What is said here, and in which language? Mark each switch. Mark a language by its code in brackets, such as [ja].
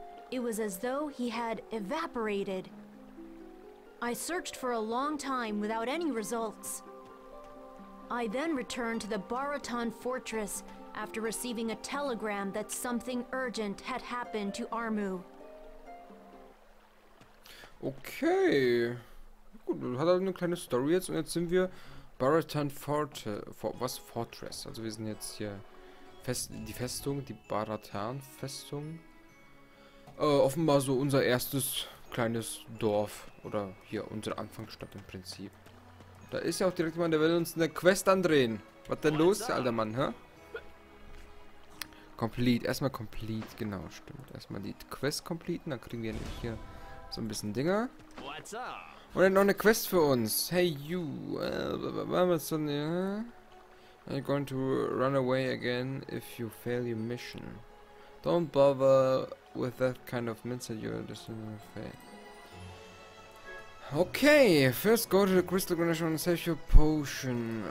[en] It was as though he had evaporated. I searched for a long time without any results. I then returned to the Baratan Fortress after receiving a telegram that something urgent had happened to Armu. Okay. [de] Gut, hat er eine kleine Story jetzt und jetzt sind wir Baratan Fortress. Also wir sind jetzt hier die Baratan Festung. Offenbar so unser erstes kleines Dorf oder hier unsere Anfangsstadt im Prinzip. Da ist ja auch direkt jemand, der will uns eine Quest andrehen. Was denn los, alter Mann, hä? Erstmal complete, genau, stimmt. Erstmal die Quest completen, dann kriegen wir nämlich hier so ein bisschen Dinger. [en] What's up? [de] Und dann noch eine Quest für uns. [en] Hey, you. [de] Was denn, ja? [en] Are you going to run away again if you fail your mission? Don't bother with that kind of mindset. You're just going to fail. Okay. First go to the Crystal Granation and save your potion.